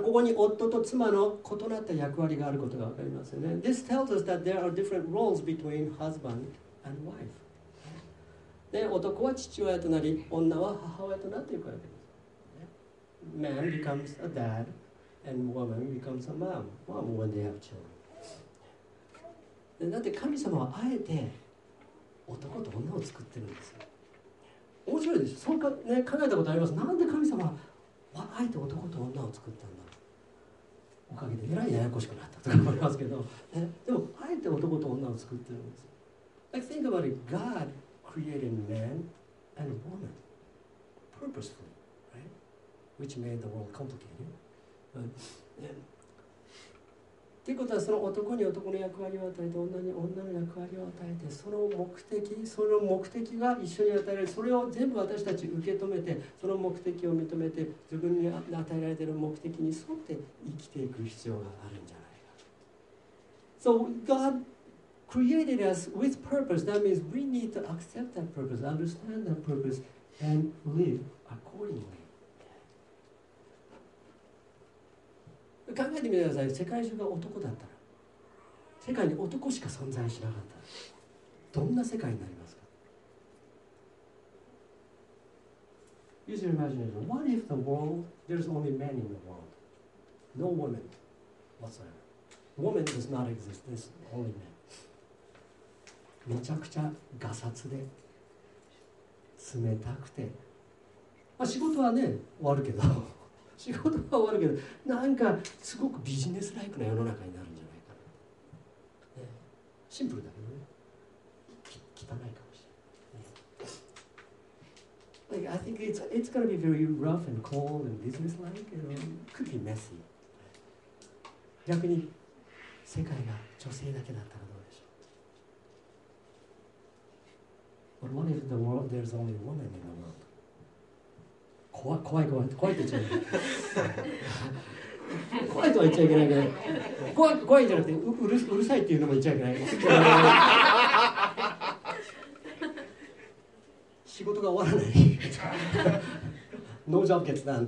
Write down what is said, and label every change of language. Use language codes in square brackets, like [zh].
[ja] ここに夫と妻の異なった役割があることがわかりますよね。 [en] This tells us that there are different roles between husband and wife. [ja] で、男は父親となり、女は母親となっていくわけです。 [en] Man becomes a dad. And woman becomes a mom. Mom when they have children. [ja] だって神様はあえて男と女を作ってるんですよ。面白いでしょ。そうか、ね、考えたことあります。なんで神様はあえて男と女を作ったんだろう。おかげでえらいややこしくなったとか思いますけど、ね、でもあえて男と女を作ってるんですよ。 [en] I think about it. God created man and woman purposefully, right? Which made the world complicated. [ja] っていうことはその男に男の役割を与えて女に女の役割を与えてその目的その目的が一緒に与えられるそれを全部私たち受け止めてその目的を認めて自分に与えられている目的に沿って生きていく必要があるんじゃないか。 [en] So God created us with purpose. That means we need to accept that purpose, understand that purpose, and live accordingly. [ja] 考えてみてください。世界中が男だったら、世界に男しか存在しなかったら、どんな世界になりますか。 [en] Use your imagination. What if the world, there's only men in the world? No women whatsoever. Women does not exist. There's only men. [ja] めちゃくちゃガサツで、冷たくて、まあ、仕事はね、終わるけど、仕事は終わるけど、なんかすごくビジネスライクな世の中になるんじゃないかな、ね、シンプルだけどね、汚いかもしれない、ね、 [en] like, I think it's gonna be very rough and cold and business like, you know, could be messy. [ja] 逆に世界が女性だけだったらどうでしょう。 [en] But what if the world, there's only women in the world? [ja] 怖いって言っちゃいけない。怖いとは言っちゃいけないけど、怖いじゃなくて、うるさいっていうのも言っちゃいけない。仕事が終わらない。ノージョブ決断。